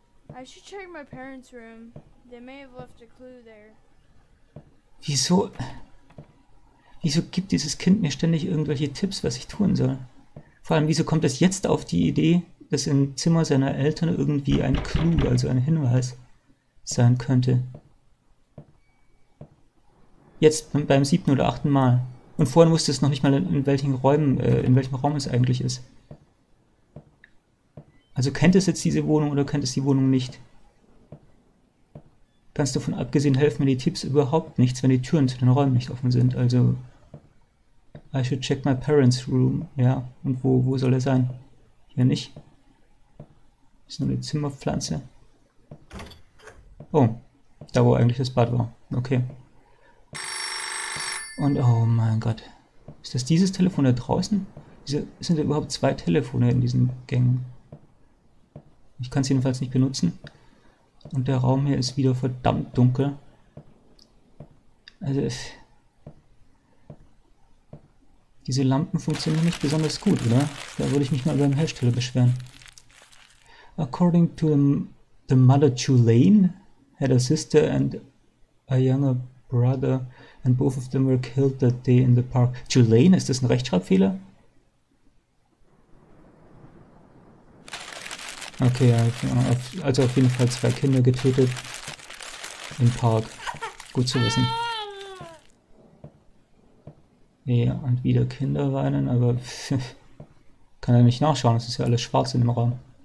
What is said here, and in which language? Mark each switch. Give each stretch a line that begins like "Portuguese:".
English: I should check my parents' room. They may have left a clue there.
German: Wieso? Wieso gibt dieses Kind mir ständig irgendwelche Tipps, was ich tun soll? Vor allem, wieso kommt es jetzt auf die Idee, dass im Zimmer seiner Eltern irgendwie ein Clue, also ein Hinweis, sein könnte? Jetzt beim siebten oder achten Mal. Und vorhin wusste es noch nicht mal, in welchen Räumen, in welchem Raum es eigentlich ist. Also kennt es jetzt diese Wohnung oder kennt es die Wohnung nicht? Ganz davon abgesehen helfen mir die Tipps überhaupt nichts, wenn die Türen zu den Räumen nicht offen sind.
English: Also, I should check my parents' room.
German: Ja, und wo soll er sein? Hier nicht. Ist nur eine Zimmerpflanze. Oh, da wo eigentlich das Bad war. Okay. Und oh mein Gott. Ist das dieses Telefon da draußen? Diese, sind da überhaupt zwei Telefone in diesen Gängen? Ich kann es jedenfalls nicht benutzen. Und der Raum hier ist wieder verdammt dunkel. Also, diese Lampen funktionieren nicht besonders gut, oder? Da würde ich mich mal beim Hersteller beschweren.
English: According to the mother Tulane, had a sister and a younger brother, and both of them were killed that day in the park.
German: Tulane, ist das ein Rechtschreibfehler? Okay, also auf jeden Fall zwei Kinder getötet im Park. Gut zu wissen. Ja, und wieder Kinder weinen, aber kann er nicht nachschauen, es ist ja alles schwarz in dem Raum.